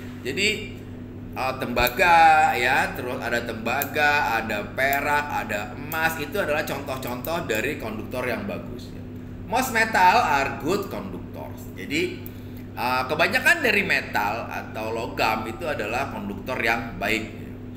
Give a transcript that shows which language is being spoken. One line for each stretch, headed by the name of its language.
Indonesian: Jadi tembaga ya, terus ada tembaga, ada perak, ada emas, itu adalah contoh-contoh dari konduktor yang bagus. Ya.
English: Most metal are good conductors.
Indonesian: Jadi kebanyakan dari metal atau logam itu adalah konduktor yang baik.